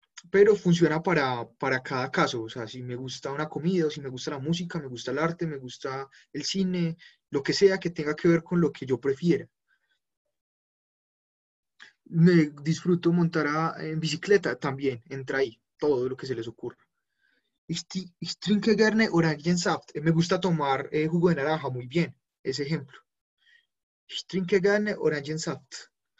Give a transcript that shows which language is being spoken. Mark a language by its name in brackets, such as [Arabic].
[Spanish] Pero funciona para cada caso. O sea, si me gusta una comida, o si me gusta la música, me gusta el arte, me gusta el cine, lo que sea que tenga que ver con lo que yo prefiera. Me disfruto montar en bicicleta también, entra ahí, todo lo que se les ocurra. [German] Ich trinke gerne Orangensaft. [Spanish] Me gusta tomar jugo de naranja, muy bien, ese ejemplo. [German] Ich trinke gerne Orangensaft.